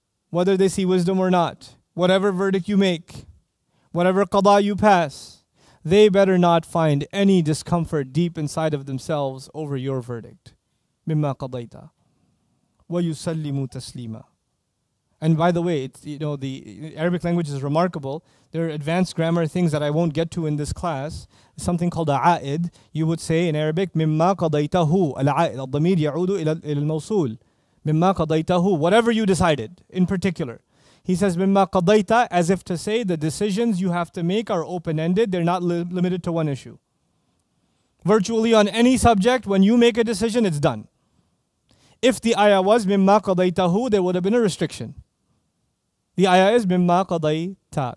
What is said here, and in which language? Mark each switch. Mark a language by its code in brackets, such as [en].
[en] Whether they see wisdom or not. Whatever verdict you make, whatever qada you pass, they better not find any discomfort deep inside of themselves over your verdict. [ar] مِمَّا قَضَيْتَ وَيُسَلِّمُوا تَسْلِيمًا. [en] And by the way, it's, you know, the Arabic language is remarkable. There are advanced grammar things that I won't get to in this class. Something called a'aid. You would say in Arabic, [ar] مِمَّا قَضَيْتَهُ الْعَائِدَ الضَّمِيرِ يَعُودُ إِلَى الْمَوْصُولِ. مِمَّا قَضَيْتَهُ, [en] whatever you decided in particular. He says, [ar] مِمَّا قَضَيْتَ, [en] as if to say the decisions you have to make are open-ended. They're not limited to one issue. Virtually on any subject, when you make a decision, it's done. If the ayah was [ar] مِمَّا قَضَيْتَهُ, [en] there would have been a restriction. The ayah is [ar] مِمَّا قَضَيْتَ.